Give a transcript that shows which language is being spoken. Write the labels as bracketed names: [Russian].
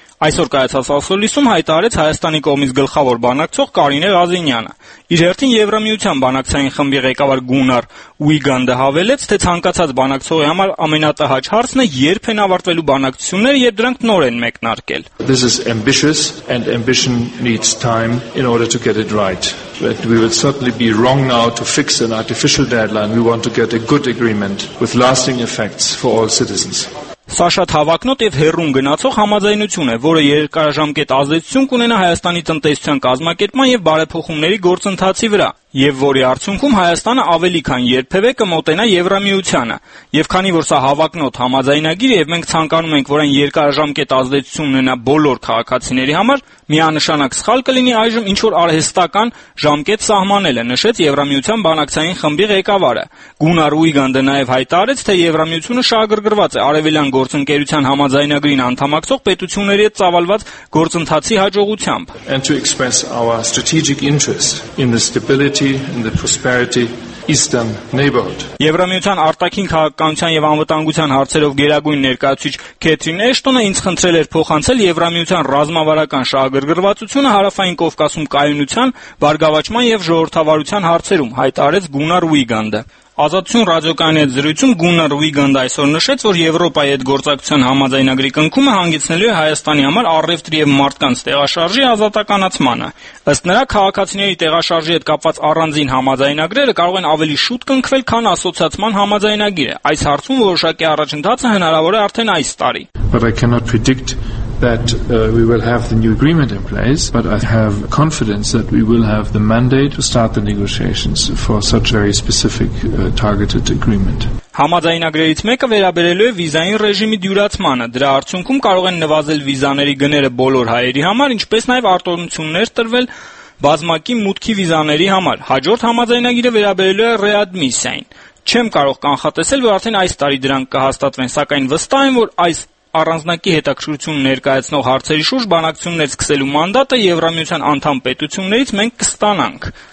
[Armenian] Այսօր կայացած ասոլիսում հայտարարեց Հայաստանի կողմից գլխավոր բանակցող Կարինե Ղազինյանը։ Իր հերթին Եվրամիության բանակցային խմբի ղեկավար Գունար Ուիգանդը հավելեց, թե ցանկացած բանակցողի համար ամենատհաճ հարցն է, երբ են ավարտվելու բանակցությունները, երբ դրանք նոր են մեկնարկել։ [English] This is ambitious and ambition needs time in order to get it right. But we would certainly be wrong now to fix an artificial deadline. We want to get a good agreement with lasting effects for all citizens. [Armenian] Սա շատ հավակնոտ եւ հերրում գնացող համաձայնություն է, որը երկարաժամկետ ազդեցություն կունենա Հայաստանի տնտեսության կազմակերպման եւ բարեփոխումների գործընթացի վրա, եւ որի արդյունքում Հայաստանը ավելի քան երբևէ կմոտենա Եվրամիությանը։ Եվ քանի որ սա հավակնոտ համաձայնագիր եւ մենք ցանկանում ենք, որ այն երկարաժամկետ ազդեցություն ունենա բոլոր քաղաքացիների համար, միանշանակ սխալ կլինի այժմ ինչ որ արհեստական ժամկետ սահմանել, նշեց Եվրամիության բանակցային խմբի ղեկավարը։ Գունար Ուիգանդը նաեւ հայտարարեց, թե Եվրամիությունը շահագրգռված է Արևելյան գործընկերության համաձայնագրին անդամակցող պետությունների հետ ծավալված գործընթացի հաջողությամբ։ [English] And to express our strategic interest in the stability and the prosperity Eastern neighborhood. [Armenian] Եվրամիության արտաքին քաղաքականության եւ անվտանգության հարցերով գերագույն ներկայացուիչ Քեթրին Էշտոնը ինձ խնդրել էր փոխանցել Եվրամիության ռազմավարական շահագրգռվածությունը հարավային Կովկասում կայունության, բարգավաճման եւ ժողովրդավարության հարցերում, հայտարարեց Գունար Ուիգանդը։ Ազատություն ռադիոկայանի զրույցում Գունար Ուիգանդը այսօր նշեց, որ Եվրոպայի հետ գործակցության համաձայնագրի կնքումը հանգեցնելու է Հայաստանի համար առևտրի եւ մարդկանց տեղաշարժի ազատականացմանը։ Ըստ նրա, քաղաքացիների տեղաշարժի հետ կապված առանձին համաձայնագրերը կարող են ավելի շուտ կնքվել, քան ասոցիացման համաձայնագիրը։ Այս հարցում որոշակի առաջընթացը հնարավոր է արդեն այս տարի։ [English] That we will have the new agreement in place, but I have confidence that we will have the mandate to start the negotiations for such a very specific targeted agreement. [Armenian] Համաձայնագրերից մեկը վերաբերելու է վիզային ռեժիմի դյուրացմանը, դրա արդյունքում կարող են նվազել վիզաների գները բոլոր հայերի համար, ինչպես նաև արտոնություններ տրվել բազմակի մուտքի վիզաների համար։ Հաջորդ համաձայնագիրը վերաբերելու է ռեադմիսիային։ Չեմ կարող կանխատեսել, որ արդեն այս տարի դրանք կհաստատվեն, սակայն վստահ եմ, որ այս առանձնակի հետաքրություն ներկայացնող հարցերի շուրջ բանակցություններ սկսելու մանդատը Եվրամիության անդամ պետություններից մենք կստանանք։